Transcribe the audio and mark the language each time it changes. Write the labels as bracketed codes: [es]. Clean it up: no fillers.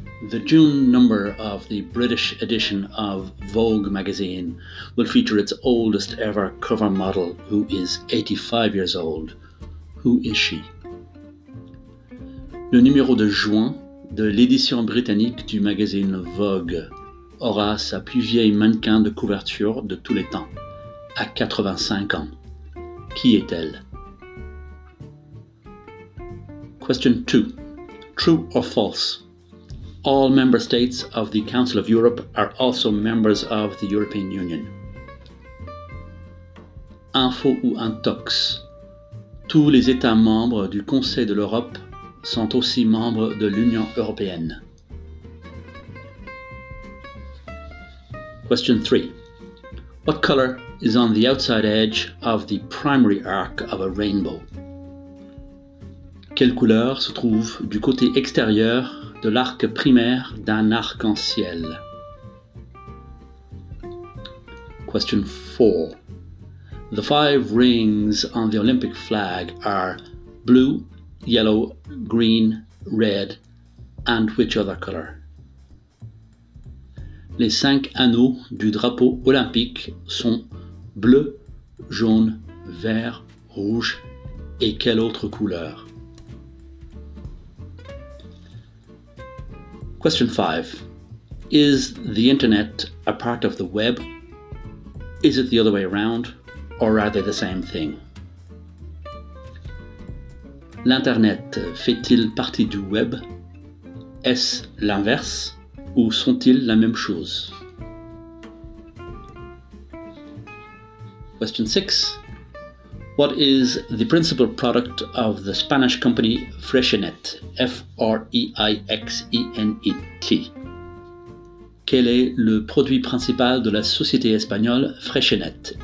[en] The June number of the British edition of Vogue magazine will feature its oldest ever cover model, who is 85 years old. Who is she? [fr] Le numéro de juin de l'édition britannique du magazine Vogue aura sa plus vieille mannequin de couverture de tous les temps, à 85 ans. Qui est-elle? [en] Question 2. True or false? All member states of the Council of Europe are also members of the European Union. [fr] info ou intox. Tous les États membres du Conseil de l'Europe sont aussi membres de l'Union européenne. [en] Question 3. What color is on the outside edge of the primary arc of a rainbow? [fr] Quelle couleur se trouve du côté extérieur de l'arc primaire d'un arc-en-ciel? [en] Question 4. The five rings on the Olympic flag are blue, yellow, green, red, and which other color? Les cinq anneaux du drapeau olympique sont bleu, jaune, vert, rouge et quelle autre couleur? Question 5. Is the internet a part of the web? Is it the other way around? Or are they the same thing? [fr] L'internet fait-il partie du web? Est-ce l'inverse? Ou sont-ils la même chose? [en] Question 6. What is the principal product of the Spanish company Freixenet? Freixenet. [fr] Quel est le produit principal de la société espagnole Freixenet?